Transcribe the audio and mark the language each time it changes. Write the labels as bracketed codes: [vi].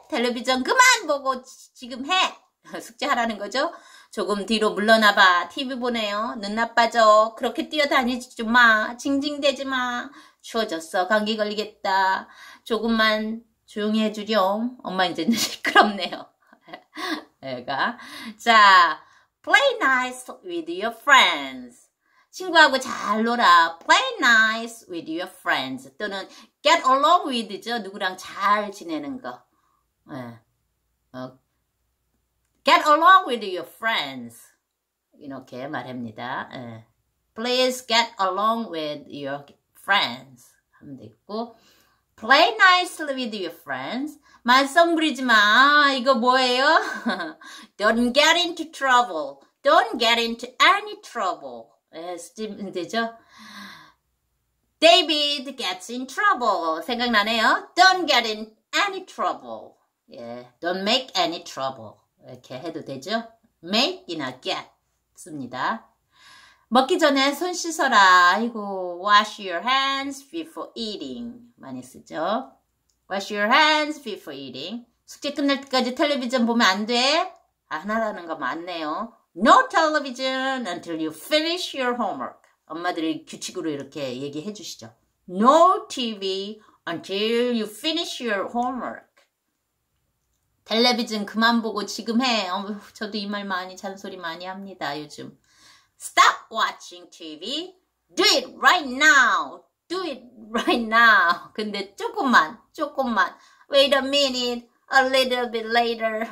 [ko] 텔레비전 그만 보고 지금 해! 숙제 하라는 거죠? 조금 뒤로 물러나봐. TV 보네요. 눈 나빠져. 그렇게 뛰어다니지 좀 마. 징징대지 마. 추워졌어. 감기 걸리겠다. 조금만 조용히 해주렴. 엄마 이제는 시끄럽네요. 애가. [en] 자, play nice with your friends. [ko] 친구하고 잘 놀아. [en] Play nice with your friends. [ko] 또는 [en] get along with죠. [ko] 누구랑 잘 지내는 거. 네. [en] Get along with your friends. [ko] 이렇게 말합니다. 네. [en] Please get along with your friends. [ko] 하면 되겠고. [en] Play nicely with your friends. [ko] 말썽 부리지 마. 이거 뭐예요? [en] Don't get into trouble. Don't get into any trouble. [ko] 예, 쓰면 되죠? [en] David gets in trouble. [ko] 생각나네요? [en] Don't get in any trouble. 예, don't make any trouble. 이렇게 해도 되죠? [ko] Make이나 get 씁니다. 먹기 전에 손 씻어라. [en] 아이고, wash your hands before eating. [ko] 많이 쓰죠? [en] Wash your hands before eating. [ko] 숙제 끝날 때까지 텔레비전 보면 안 돼? 안 하라는 거 맞네요. [en] No television until you finish your homework. [ko] 엄마들이 규칙으로 이렇게 얘기해 주시죠. [en] No TV until you finish your homework. [ko] 텔레비전 그만 보고 지금 해. 어머, 저도 이말 많이, 잔소리 많이 합니다, 요즘. [en] Stop watching TV. Do it right now. Do it right now. [ko] 근데 조금만, 조금만. [en] Wait a minute. A little bit later.